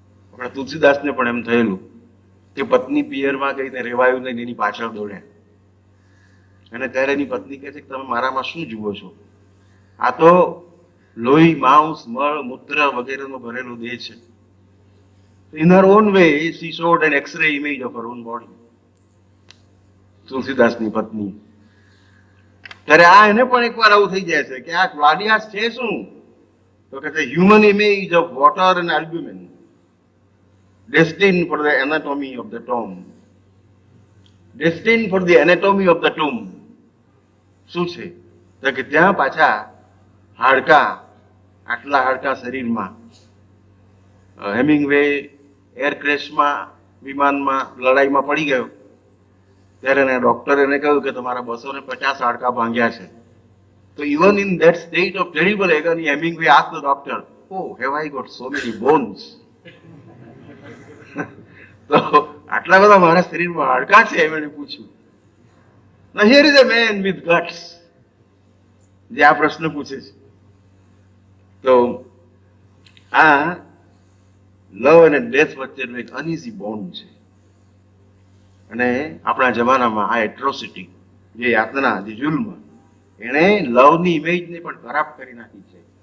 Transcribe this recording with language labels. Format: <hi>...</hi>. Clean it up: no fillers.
<gu>આપણા તુલસીદાસને પણ એમ થયેલું કે પત્ની પિયરમાં કહીને રેવાયું નહીં, એની પાછળ દોડ્યા, અને ત્યારે એની પત્ની કહે છે કે તમે મારામાં શું જુઓ છો, આ તો લોહી માંસ મળ મૂત્ર વગેરેનો ભરેલો દેહ છે.</gu> <en>in her own way she showed an X-ray image of her own body,</en> <gu>તુલસીદાસની પત્ની. ત્યારે આ એને પણ એકવાર આવું થઈ જાય છે કે આ ક્લાડિયાસ છે શું? તો કહે છે</gu> <en>Human image of water and albumin, destined for the anatomy of the tomb, destined for the anatomy of the tomb.</en> <gu>શું છે? તો કે ત્યાં પાછા હાડકા, આટલા હાડકા શરીરમાં હેમિંગવે એર ક્રેશમાં વિમાનમાં લડાઈમાં પડી ગયો ત્યારે એને ડૉક્ટર એને કહ્યું કે તમારા 250 હાડકા ભાંગ્યા છે.</gu> <en>તો even in that state of terrible agony Hemingway ask the doctor, oh have I got so many bones.</en> <gu>તો આટલા બધા મારા શરીરમાં હાડકા છે એમ એને પૂછ્યું.</gu> <en>Now here is a man with guts.</en> <gu>જે આ પ્રશ્ન પૂછે છે. તો આ લવ અને ડેથ વચ્ચેનો એક અનઈઝી બોન્ડ છે અને આપણા જમાનામાં આ એટ્રોસિટી જે યાતના જે જુલ્મ એણે લવની ઇમેજને પણ ખરાબ કરી નાખી છે.</gu>